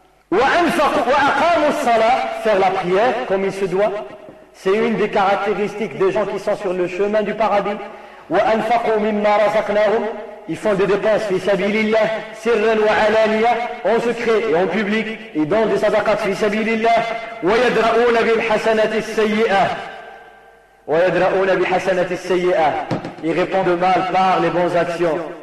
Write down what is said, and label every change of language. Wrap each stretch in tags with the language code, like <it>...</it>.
<ar>Wa aqamu as-salah,</ar> <fr>faire la prière comme il se doit. C'est une des caractéristiques des gens qui sont sur le chemin du paradis.</fr> <ar>وَأَنْفَقُوا مِمَّا رَزَقْنَاهُمْ.</ar> <fr>Ils font des dépenses</fr> <ar>فِي سَبِيلِ اللَّهِ سِرًّا وَعَلَانِيَةً,</ar> <fr>en secret et en public. Ils donnent des sadaqats</fr> <ar>فِي سَبِيلِ اللَّهِ وَيَدْرَؤُونَ بِالْحَسَنَةِ السَّيِّئَةِ وَيَدْرَؤُونَ بِالْحَسَنَةِ السَّيِّئَةِ.</ar> <fr>Ils répondent mal par les bonnes actions.</fr>